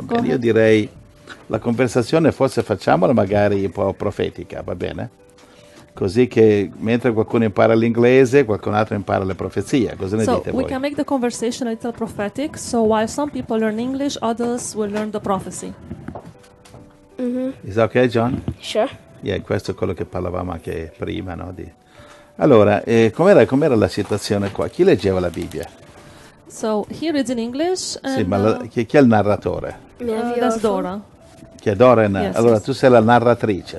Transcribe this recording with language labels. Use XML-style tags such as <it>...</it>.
<it>Io direi la conversazione forse facciamola magari un po' profetica, va bene? Così che mentre qualcuno impara l'inglese, qualcun altro impara le profezie. Cosa ne dite voi?</it> <en>So we can make the conversation a little prophetic. So while some people learn English, others will learn the prophecy. Is that okay, John? Sure.</en> <it>Yeah, questo è quello che parlavamo anche prima, no? Allora, com'era la situazione qua? Chi leggeva la Bibbia?</it> <en>So he reads in English.</en> <it>Sì, ma chi è il narratore?</it> <en>That's Dora.</en> <it>Che è Dora? Yes, allora yes. Tu sei la narratrice.</it>